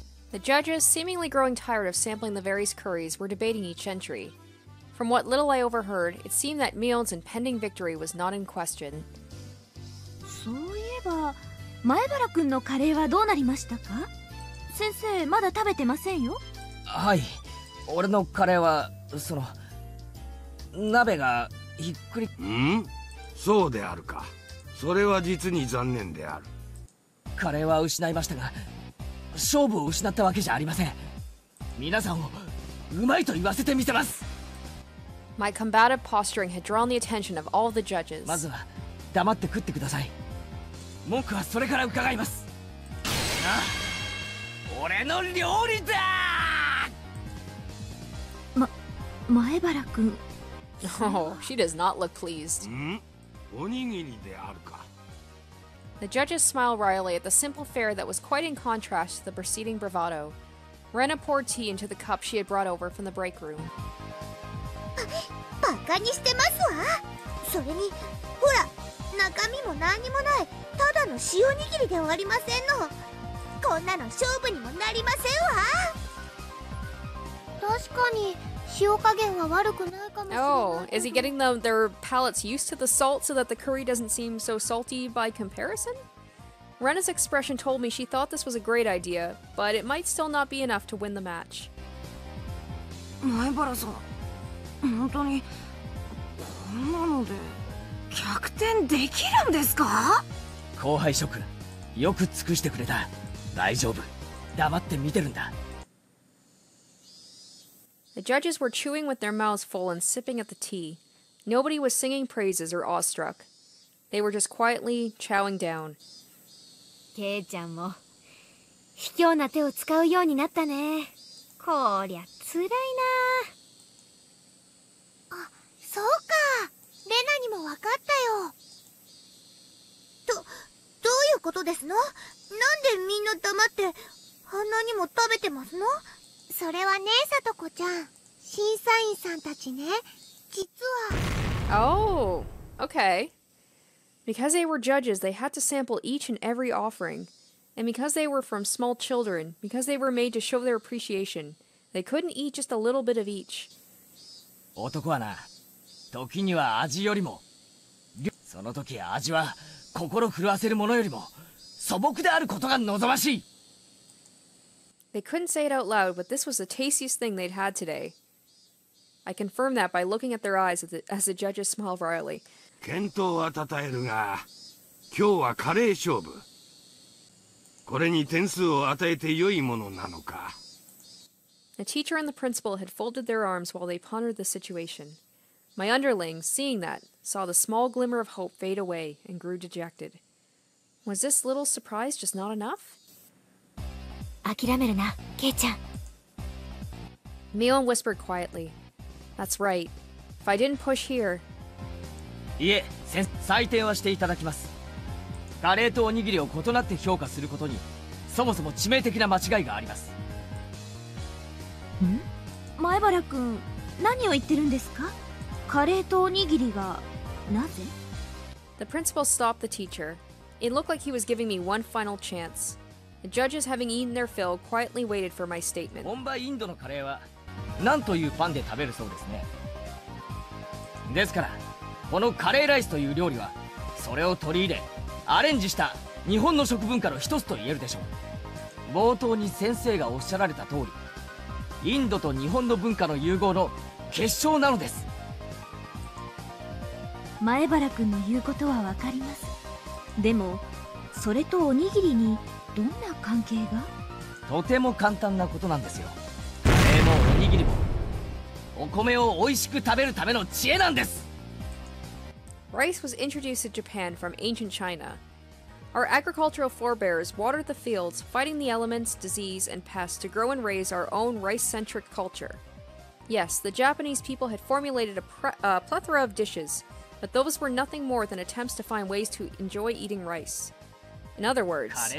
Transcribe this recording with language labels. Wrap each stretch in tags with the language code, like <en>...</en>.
<en>The judges, seemingly growing tired of sampling the various curries, were debating each entry. From what little I overheard, it seemed that Mion's impending victory was not in question.</en> <ja>そういえば、前原君のカレーはどうなりましたか? 先生、まだ食べてませんよ。はい、俺のカレーは、その…鍋がひっくり… ん?そうであるか。それは実に残念である。カレーは失いましたが、勝負を失ったわけじゃありません。皆さんをうまいと言わせてみせます。</ja> <en>My combative posturing had drawn the attention of all the judges.</en> <ja>まずは黙って食ってください。文句はそれから伺います。俺の料理だ。前原君。</ja> <en>Oh, she does not look pleased.</en> <ja>おにぎりであるか。</ja> <en>The judges smiled wryly at the simple fare that was quite in contrast to the preceding bravado. Rena poured tea into the cup she had brought over from the break room.</en> <ja>バカにしてますわ。それに、ほら、中身も何にもない、ただの塩にぎりで終わりませんの。こんなの勝負にもなりませんわ。確かに、塩加減は悪くないかもしれない。</ja> <en>Oh, is he getting their palates used to the salt so that the curry doesn't seem so salty by comparison? Rena's expression told me she thought this was a great idea, but it might still not be enough to win the match.</en> <ja>前原さん、本当にこんなので逆転できるんですか? 後輩諸君、よく尽くしてくれた。大丈夫。黙って見てるんだ。</ja> <en>The judges were chewing with their mouths full and sipping at the tea. Nobody was singing praises or awestruck. They were just quietly chowing down.</en> <ja>Kei-chan も、卑怯な手を使うようになったね。こりゃ、つらいな。あ、そうか。レナにもわかったよ。どういうことですの? なんでみんな黙って、あんなにも食べてますの? それはね、さとこちゃん。審査員さんたちね、実は…</ja> <en>Oh, okay. Because they were judges, they had to sample each and every offering. And because they were from small children, because they were made to show their appreciation, they couldn't eat just a little bit of each.</en> <ja>男はな、時には味よりも、その時味は心震わせるものよりも、素朴であることが望ましい。</ja> <en>They couldn't say it out loud, but this was the tastiest thing they'd had today. I confirmed that by looking at their eyes as the judges smiled wryly.</en> <ja>健闘は称えるが、今日はカレー勝負。これに点数を与えて良いものなのか。</ja> <en>The teacher and the principal had folded their arms while they pondered the situation. My underling, seeing that, saw the small glimmer of hope fade away and grew dejected. Was this little surprise just not enough?</en> <ja>諦めるな、ケイちゃん。</ja> <en>Mion whispered quietly. That's right. If I didn't push here…</en> <ja>いえ、先生、採点はしていただきます。カレーとおにぎりを異なって評価することに、そもそも致命的な間違いがあります。ん? 前原君、何を言ってるんですか?カレーとおにぎりが、なぜ?</ja> <en>The principal stopped the teacher. It looked like he was giving me one final chance. The judges, having eaten their fill, quietly waited for my statement.</en> <ja>本場インドのカレーは、なんというパンで食べるそうですね。ですから、このカレーライスという料理は、それを取り入れ、アレンジした日本の食文化の一つと言えるでしょう。冒頭に先生がおっしゃられた通り、インドと日本の文化の融合の結晶なのです。前原君の言うことはわかります。でも、それとおにぎりに、どんな関係が? とても簡単なことなんですよ。カレーもおにぎりも、お米を美味しく食べるための知恵なんです!</ja> <en>Rice was introduced to Japan from ancient China. Our agricultural forebears watered the fields, fighting the elements, disease, and pests to grow and raise our own rice-centric culture. Yes, the Japanese people had formulated a plethora of dishes, but those were nothing more than attempts to find ways to enjoy eating rice. In other words...</en>